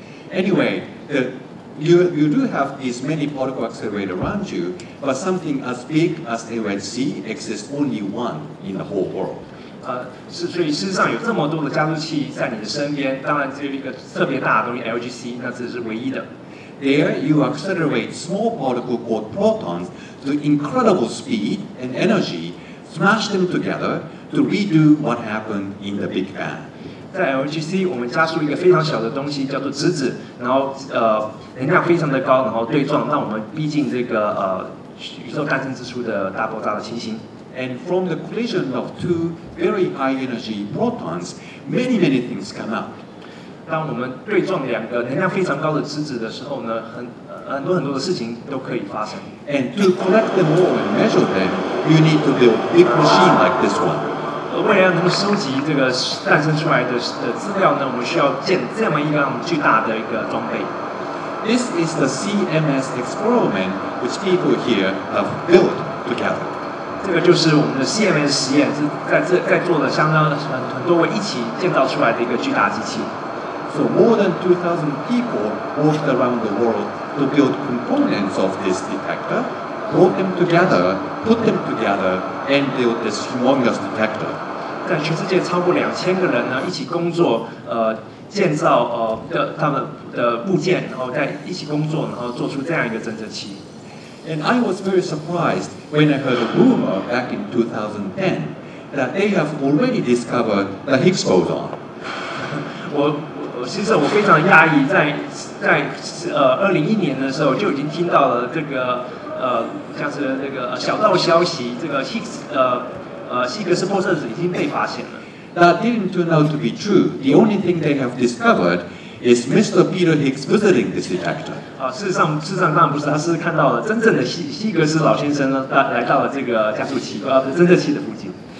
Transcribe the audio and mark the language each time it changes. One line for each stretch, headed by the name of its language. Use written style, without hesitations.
English: Anyway, You do have these many particle accelerators around you, but something as big as LHC exists only one in the whole world.
Chinese: 所以事实上有这么多的加速器在你的身边，当然只有一个特别大的东西 LGC， 那这是唯一的。
English: There you accelerate small particle called protons to incredible speed and energy, smash them together to redo what happened in the Big Bang.
Chinese: 在 LGC， 我们加速一个非常小的东西，叫做质子，然后能量非常的高，然后对撞，让我们逼近这个宇宙诞生之初的大爆炸的情形。
English: And from the collision of two very high energy protons, many many things come out.
Chinese: 当我们对撞两个能量非常高的质子的时候呢，很多的事情都可以发生。
English: And to collect them all and measure them, you need to build big machine like this one.
Chinese: 为了能够收集这个诞生出来的资料呢，我们需要建这么一个巨大的一个装备。
English: This is the CMS experiment which people here have built together.
Chinese: 这个就是我们的 CMS 实验，是在做的相当很多位一起建造出来的一个巨大机器。
English: So more than 2,000 people worked around the world to build components of this detector. Put them together and build this humongous detector.
Chinese: 在全世界超过2000个人呢一起工作，建造的他们的部件，然后在一起工作，然后做出这样一个侦测器。
English: And I was very surprised when I heard a rumor back in 2010 that they have already discovered the Higgs boson.
Chinese: 我非常讶异，在2001年的时候就已经听到了这个像是这个小道消息，这个 Higgs 希格斯波色子已经被发现了。
English: That didn't turn out to be true. The only thing they have discovered is Mr. Peter Higgs visiting this detector.
Chinese: 事实上当然不是，他是看到了真正的希格斯老先生来到了这个加速器侦测器的附近。